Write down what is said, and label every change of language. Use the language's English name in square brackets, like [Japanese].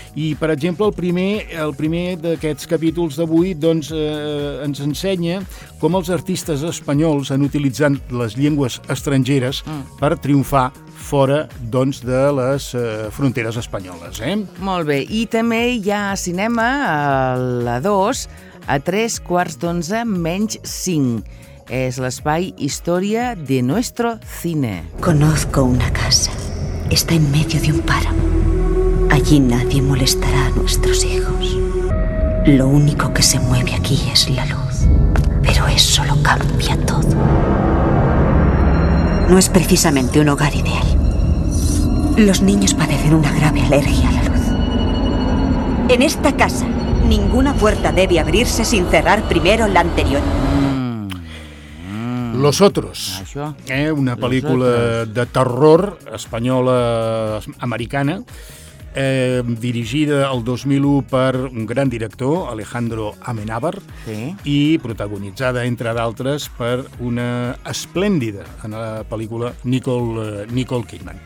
[Catalan] I, per exemple, el primer d'aquests capítols d'avui doncs, ens ensenya com els artistes espanyols han utilitzat les llengües estrangeres per triomfar fora doncs, de les fronteres espanyoles. Molt bé. I també hi ha cinema a la 2, a 3:15:05. És l'espai Història de Nuestro Cine. [Spanish] Conozco una casa. Está en medio de un páramo. Allí nadie molestará a nuestros hijos. Lo único que se mueve aquí es la luz. Pero eso lo cambia todo. No es precisamente un hogar ideal. Los niños padecen una grave alergia a la luz. En esta casa, ninguna puerta debe abrirse sin cerrar primero la anterior. [Catalan] Los Otros, una pel·lícula de terror espanyola-americana, dirigida el 2001 per un gran director, Alejandro Amenábar, i protagonitzada, entre d'altres, per una esplèndida en la pel·lícula Nicole Kidman.